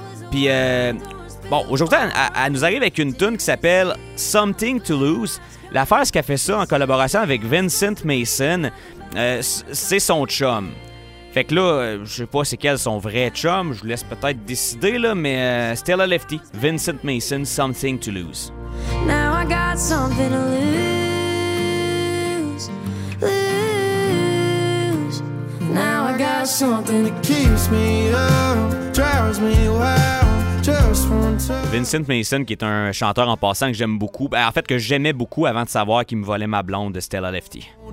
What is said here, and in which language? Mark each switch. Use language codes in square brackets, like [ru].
[fr] Puis, bon, aujourd'hui, elle nous arrive avec une toune qui s'appelle Something to Lose. L'affaire, c'est qu'elle fait ça en collaboration avec Vincent Mason. C'est son chum. Fait que là, je sais pas c'est quel son vrai chum. Je vous laisse peut-être décider là, mais Stella Lefty, Vincent Mason, Something to Lose. [en] Now I got something to lose. Lose. Now I got something that keeps me up, drives me wild. [fr] Vincent Mason, qui est un chanteur en passant que j'aime beaucoup, ben, en fait que j'aimais beaucoup avant de savoir qu'il me volait ma blonde de Stella Lefty.